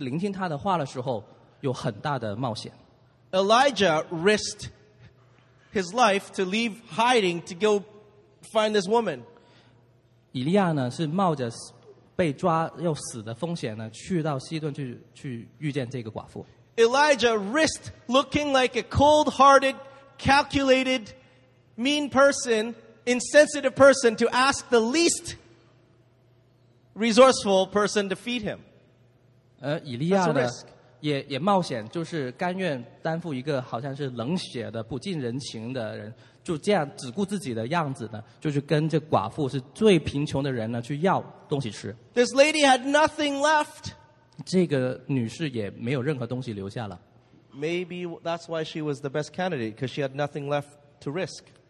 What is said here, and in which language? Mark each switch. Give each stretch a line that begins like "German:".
Chinese: 许多时候,当我们要去顺服神,去聆听他的话的时候,有很大的冒险。
English: Elijah risked his life to leave hiding to go find this woman.
Chinese: 以利亚呢,是冒着被抓要死的风险呢,去到西顿去遇见这个寡妇。
English: Elijah risked looking like a cold-hearted, calculated, mean person, insensitive person to ask the least resourceful person to feed him.
Chinese: 以利亚呢,也冒险,就是甘愿担负一个好像是冷血的,不近人情的人,就这样只顾自己的样子呢,就去跟这寡妇是最贫穷的人呢,去要东西吃。
English: This lady had nothing left.
Chinese: 这个女士也没有任何东西留下了。
English: Maybe that's why she was the best candidate, because she had nothing left to risk.